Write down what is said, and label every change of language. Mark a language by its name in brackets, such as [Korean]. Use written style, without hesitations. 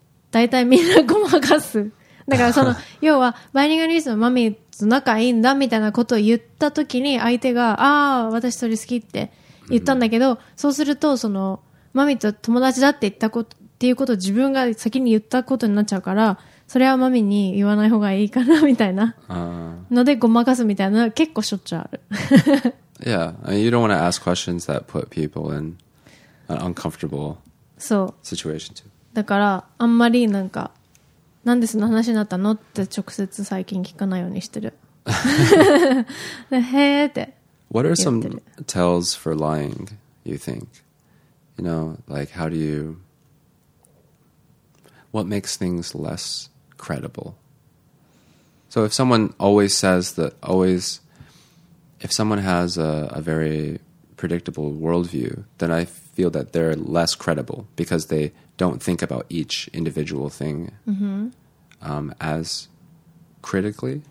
[Japanese] 大体みんなごまかす、だからその要はバイリンガルニュースのマミーと仲いいんだみたいなことを言った時に相手が、あ、私それ好きって言ったんだけど、そうするとそのマミーと友達だって言ったことっていうことを自分が先に言ったことになっちゃうから、それはマミに言わない方がいいかなみたいなのでごまかすみたいな、結構しょっちゅうある。 [English] Yeah, I mean, you don't want to ask questions that put people in an uncomfortable situation too. [Japanese] だからあんまりなんかなんでその話になったのって直接最近聞かないようにしてる。へーって言ってる。 [English] What are some tells for lying, you think? You know, like how do youWhat makes things less credible? So if someone always says that, always, if someone has a very predictable worldview, then I feel that they're less credible because they don't think about each individual thing as critically.